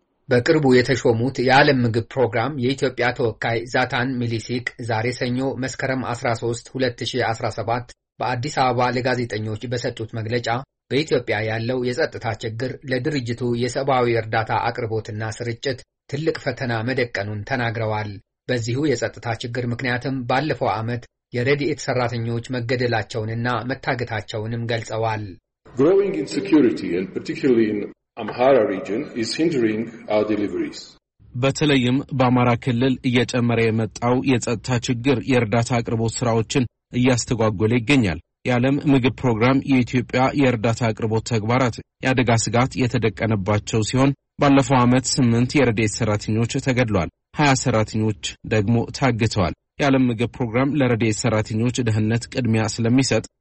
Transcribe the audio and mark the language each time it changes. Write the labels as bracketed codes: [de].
[am] በቅርቡ የተሾሙት የዓለም ምግብ ፕሮግራም የኢትዮጵያ ተወካይ ዛታን ሚሊሲክ ዛሬ ሰኞ መስከረም 13 2017 በአዲስ አበባ ለጋዜጠኞች በሰጡት መግለጫ በኢትዮጵያ ያለው የጸጥታ ችግር ለድርጅቱ የሰብአዊ እርዳታ አቅርቦትና ስርጭት ትልቅ ፈተና መደቀኑን ተናግረዋል። በዚሁ የጸጥታ ችግር ምክንያትም ባለፈው ዓመት የረድኤት ሰራተኞች መገደላቸውንና መታገታቸውንም ገልጸዋል። [en] Growing insecurity and particularly in Amhara region is hindering our deliveries. [am] በተለይም በአማራ ክልል እየጨመረ የመጣው የጸጥታ ችግር የእርዳታ አቅርቦት ስራዎችን እያስተጓጎለ ይገኛል። የዓለም ምግብ ፕሮግራም የኢትዮጵያ የእርዳታ አቅርቦት ተግባራት የአደጋ ስጋት የተደቀነባቸው ሲሆን ባለፈው ዓመት 8 የረድኤት ሰራተኞች ተገድለዋል፣ 20 ሰራተኞች ደግሞ ታግተዋል። የዓለም ምግብ ፕሮግራም ለረድኤት ሰራተኞች ደህንነት ቅድሚያ ስለሚሰጥ